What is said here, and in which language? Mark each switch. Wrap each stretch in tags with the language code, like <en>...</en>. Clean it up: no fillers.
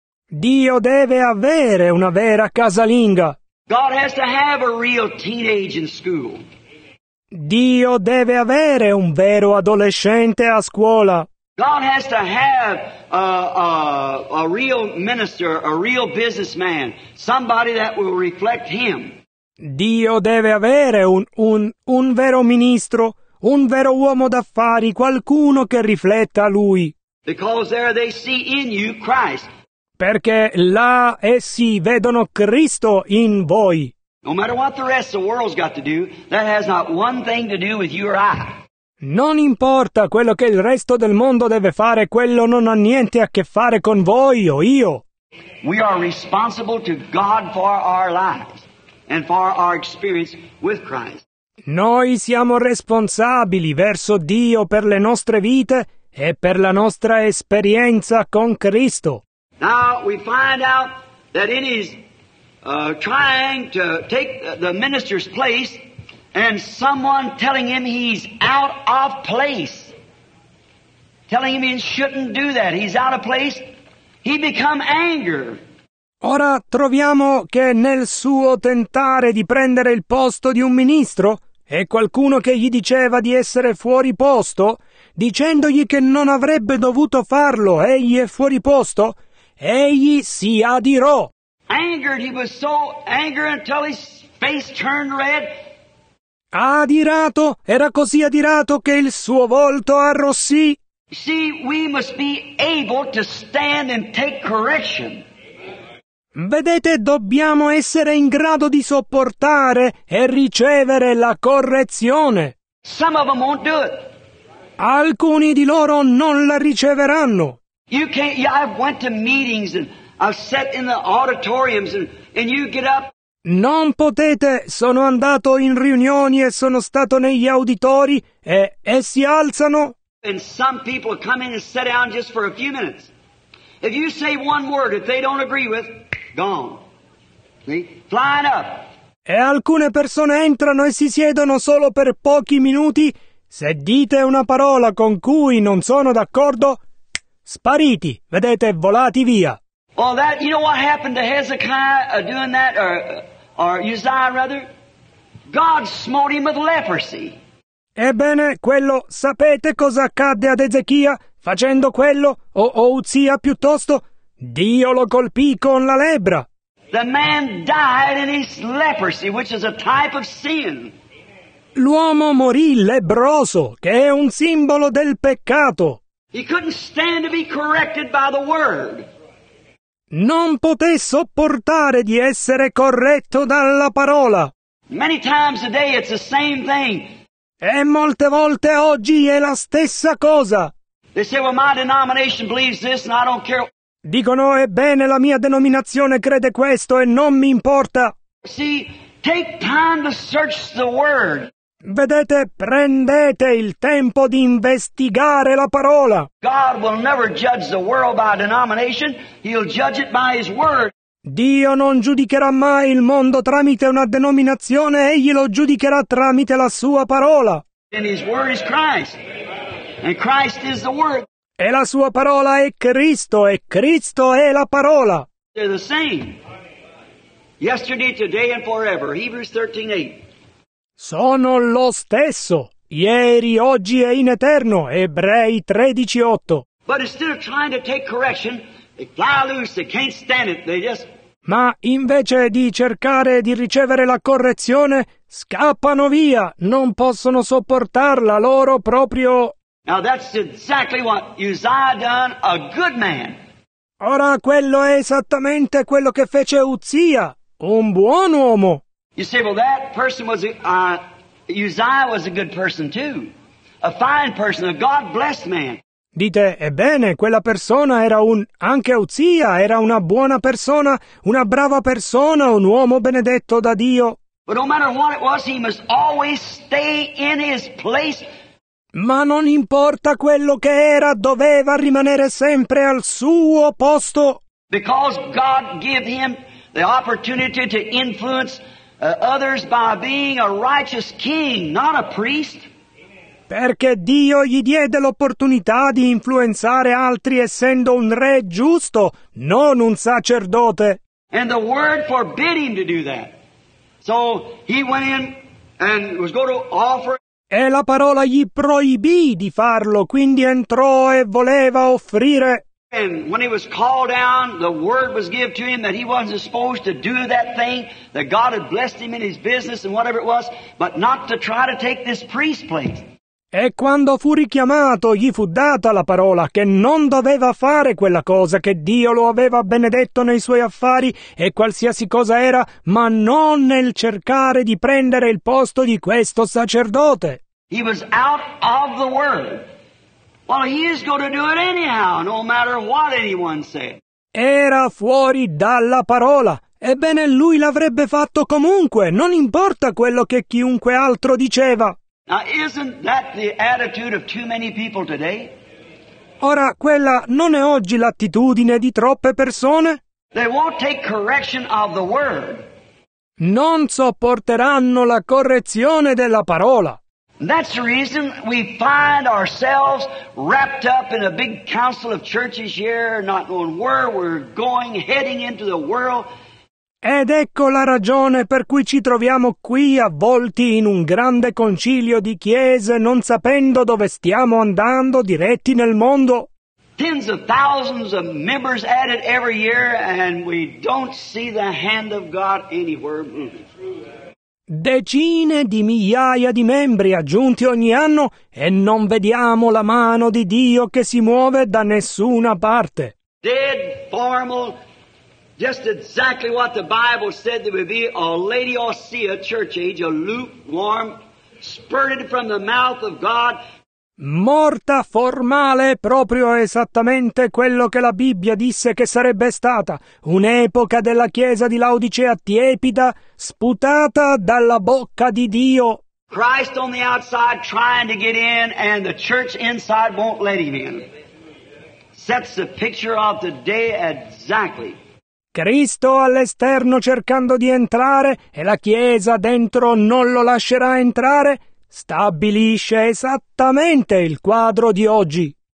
<it>Dio deve avere una vera casalinga.</it> <en>God has to have a real teenage in school.</en> <it>Dio deve avere un vero adolescente a scuola.</it> <en>God has to have a real minister, a real businessman, somebody that will reflect him.</en> <it>Dio deve avere un vero ministro, un vero uomo d'affari, qualcuno che rifletta lui.</it> <en>Because there they see in you Christ.</en> <it>Perché là essi vedono Cristo in voi.</it> <en>No matter what the rest of the world's got to do, that has not one thing to do with you or I.</en> <it>Non importa quello che il resto del mondo deve fare, quello non ha niente a che fare con voi o io.</it> <en>We are responsible to God for our lives. And for our experience with Christ.</en> <it>Noi siamo responsabili verso Dio per le nostre vite e per la nostra esperienza con Cristo.</it> <en>Now we find out that in his trying to take the minister's place and someone telling him he's out of place, telling him he shouldn't do that, he's out of place, he become angry.</en> <it>Ora troviamo che nel suo tentare di prendere il posto di un ministro e qualcuno che gli diceva di essere fuori posto, dicendogli che non avrebbe dovuto farlo, egli è fuori posto, egli si adirò.</it> <en>Angered, he was so angry until his face turned red.</en> <it>Adirato, era così adirato che il suo volto arrossì.</it> <en>See, we must be able to stand and take correction.</en> <it>Vedete, dobbiamo essere in grado di sopportare e ricevere la correzione.</it> <en>Some of them won't do it.</en> <it>Alcuni di loro non la riceveranno.</it> <en>You can't, yeah, I went to meetings and I've sat in the auditoriums and you get up.</en> <it>Non potete, sono andato in riunioni e sono stato negli auditori e si alzano.</it> <en>And some people come in and sit down just for a few minutes. If you say one word that they don't agree with, gone. See? Flying up.</en> <it>E alcune persone entrano e si siedono solo per pochi minuti. Se dite una parola con cui non sono d'accordo, spariti, vedete, volati via.</it> <en>Well, that, you know what happened to Hezekiah doing that, or Uzziah rather? God smote him with leprosy.</en> <it>Ebbene, quello, sapete cosa accadde ad Ezechia facendo quello, o Uzia piuttosto? Dio lo colpì con la lebbra.</it> <en>The man died in his leprosy, which is a type of sin.</en> <it>L'uomo morì lebbroso, che è un simbolo del peccato.</it> <en>He couldn't stand to be corrected by the word.</en> <it>Non poté sopportare di essere corretto dalla parola.</it> <en>Many times a day it's the same thing.</en> <it>E molte volte oggi è la stessa cosa.</it> <en>They say, well, my denomination believes this and I don't care.</en> <it>Dicono, ebbene, la mia denominazione crede questo e non mi importa.</it> <en>See, take time to search the word.</en> <it>Vedete, prendete il tempo di investigare la parola.</it> <en>God will never judge the world by denomination, he'll judge it by his word.</en> <it>Dio non giudicherà mai il mondo tramite una denominazione, egli lo giudicherà tramite la sua parola.</it> <en>And his word is Christ. And Christ is the word.</en> <it>E la sua parola è Cristo, e Cristo è la parola.</it> <en>They're the same. Yesterday, today and forever. Hebrews 13:8.</en> <it>Sono lo stesso, ieri, oggi e in eterno. Ebrei 13:8.</it> <en>But instead of trying to take correction, they fly loose, they can't stand it, they just...</en> <it>Ma invece di cercare di ricevere la correzione, scappano via, non possono sopportarla, loro proprio...</it> <en>Now that's exactly what Uzziah done, a good man.</en> <it>Ora quello è esattamente quello che fece Uzia, un buon uomo.</it> <en>You say, well, that person was, Uzziah was a good person too. A fine person, a God-blessed man.</en> <it>Dite, ebbene, quella persona era un... anche Uzia era una buona persona, una brava persona, un uomo benedetto da Dio.</it> <en>But no matter what it was, he must always stay in his place.</en> <it>Ma non importa quello che era, doveva rimanere sempre al suo posto.</it> <en>Because God gave him the opportunity to influence others by being a righteous king, not a priest.</en> <it>Perché Dio gli diede l'opportunità di influenzare altri essendo un re giusto, non un sacerdote.</it> <en>And the word forbid him to do that. So he went in and was going to offer.</en> <it>E la parola gli proibì di farlo, quindi entrò e voleva offrire.</it> <en>And when he was called down, the word was given to him that he wasn't supposed to do that thing, that God had blessed him in his business and whatever it was, but not to try to take this priest's place.</en> <it>E quando fu richiamato, gli fu data la parola che non doveva fare quella cosa che Dio lo aveva benedetto nei suoi affari e qualsiasi cosa era, ma non nel cercare di prendere il posto di questo sacerdote.</it> <en>He was out of the word. Well, he is going to do it anyhow, no matter what anyone said.</en> <it>Era fuori dalla parola. Ebbene, lui l'avrebbe fatto comunque, non importa quello che chiunque altro diceva.</it> <en>Now, isn't that the attitude of too many people today?</en> <it>Ora, quella non è oggi l'attitudine di troppe persone?</it> <en>They won't take correction of the word.</en> <it>Non sopporteranno la correzione della parola.</it> <en>And that's the reason we find ourselves wrapped up in a big council of churches here, not knowing where we're going, heading into the world.</en> <it>Ed ecco la ragione per cui ci troviamo qui avvolti in un grande concilio di chiese, non sapendo dove stiamo andando, diretti nel mondo.</it> <en>Tens of thousands of members added every year and we don't see the hand of God anywhere moving.</en> <it>Decine di migliaia di membri aggiunti ogni anno e non vediamo la mano di Dio che si muove da nessuna parte.</it> <en>Dead formal. Just exactly what the Bible said there would be, a Laodicea church age, a lukewarm, spurted from the mouth of God.</en> <it>Morta formale, proprio esattamente quello che la Bibbia disse che sarebbe stata, un'epoca della Chiesa di Laodicea tiepida, sputata dalla bocca di Dio.</it> <en>Christ on the outside trying to get in and the church inside won't let him in. Sets the picture of the day exactly.</en> <it>Cristo all'esterno cercando di entrare e la Chiesa dentro non lo lascerà entrare. Stabilisce esattamente il quadro di oggi.</it>